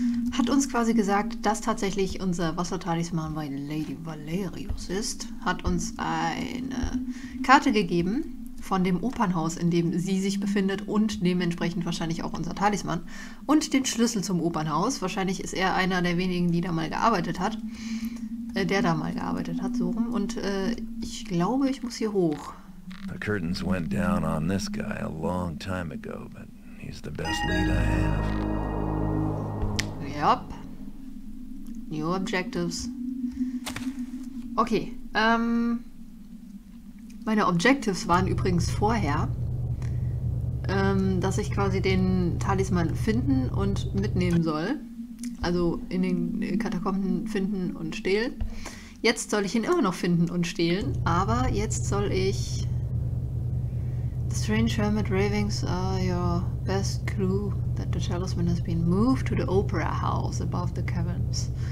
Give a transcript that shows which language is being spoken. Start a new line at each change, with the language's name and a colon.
German: Hat uns quasi gesagt, dass tatsächlich unser Wassertalisman bei Lady Valerius ist, hat uns eine Karte gegeben von dem Opernhaus, in dem sie sich befindet und dementsprechend wahrscheinlich auch unser Talisman und den Schlüssel zum Opernhaus. Wahrscheinlich ist er einer der wenigen, die da mal gearbeitet hat, der da mal gearbeitet hat, so rum. Und ich glaube, ich muss hier hoch.
English: The curtains went down on this guy a long time ago, but he's the best lead I have. Yep. New Objectives. Okay.
German: Meine Objectives waren übrigens vorher, dass ich quasi den Talisman finden und mitnehmen soll. Also in den Katakomben finden und stehlen. Jetzt soll ich ihn immer noch finden und stehlen, aber jetzt soll ich...
English: The strange hermit ravings are your best clue. That the talisman has been moved to the opera house above the caverns.